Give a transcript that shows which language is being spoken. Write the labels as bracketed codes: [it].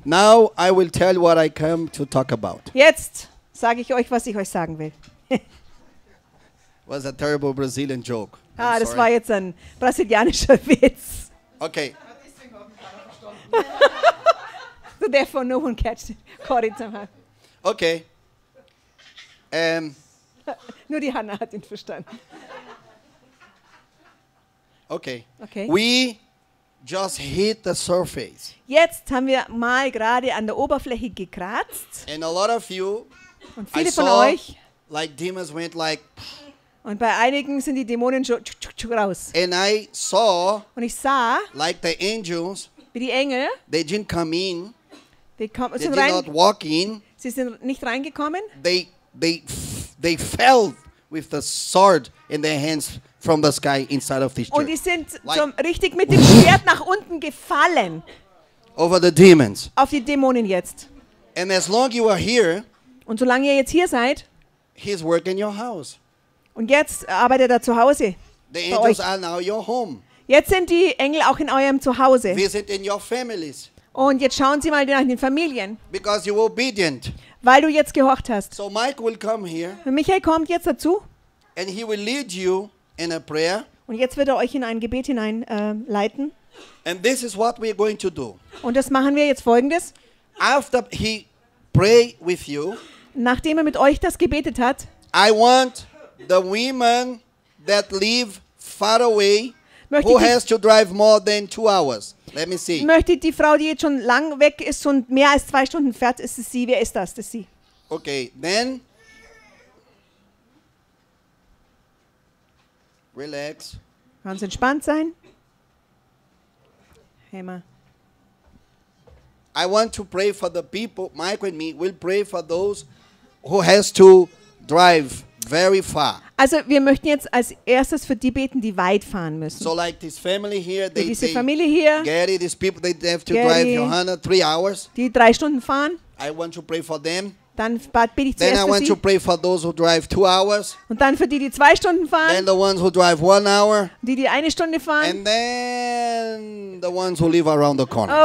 [en] Now I will tell what I come to talk about. [de] Jetzt sage ich euch, was ich euch sagen will. [en] Was a terrible Brazilian joke. [de] Ah, das war jetzt ein brasilianischer Witz. [en] Okay. So therefore no one catches it, caught it somehow. Okay. [de] Nur die Hannah hat ihn verstanden. [en] Okay. Okay. We just hit the surface. [de] Jetzt haben wir mal gerade an der Oberfläche gekratzt. [en] And a lot of you, [de] und viele von euch, [en] like demons went like, [de] und bei einigen sind die Dämonen schon raus. [en] And I saw, [de] und ich sah, [en] like the angels, [de] wie die Engel, [en] they didn't come in. They did not walk in. [de] Sie sind nicht reingekommen. [en] They fell with the sword in their hands from the sky inside of this church. [de] Und die sind like, zum richtig mit dem Schwert nach unten gefallen. [en] Over the demons. [de] Auf die Dämonen jetzt. [en] And as long you are here, [de] und solange ihr jetzt hier seid, [en] he's working your house. [de] Und jetzt arbeitet er zu Hause. [en] The angels are now your home. [de] Jetzt sind die Engel auch in eurem Zuhause. [en] We sit in your families. [de] Und jetzt schauen Sie mal nach den Familien. [en] Because you're obedient. [de] Weil du jetzt gehorcht hast. [en] So Mike will come here. [de] Und Michael kommt jetzt dazu. [en] And he will lead you in a prayer. [de] Und jetzt wird er euch in ein Gebet hinein leiten. [en] And this is what we're going to do. [de] Und das machen wir jetzt Folgendes. [en] After he pray with you. [de] Nachdem er mit euch das gebetet hat. [en] I want the women that live far away, who has to drive more than 2 hours. Let me see. [de] Möchte die Frau, die jetzt schon lang weg ist und mehr als 2 Stunden fährt, ist es sie? Wer ist das? Das ist sie. [en] Okay, then. Relax. [de] Ganz entspannt sein. Hammer. [en] I want to pray for the people. Mike and me will pray for those who has to drive very far. [de] Also, wir möchten jetzt als erstes für die beten, die weit fahren müssen. [en] So like this family here, they, [de] diese Familie hier. [en] Gary, these people, they have to Gary, drive Johanna 3 hours. [de] Die 3 Stunden fahren. [en] I want to pray for them. [de] Dann bete ich zuerst [en] then I want [de] für sie. [en] To pray for those who drive 2 hours. [de] Und dann für die 2 Stunden fahren. [en] Then the ones who drive 1 hour. [de] Die 1 Stunde fahren. [en] And then the ones who live around the corner.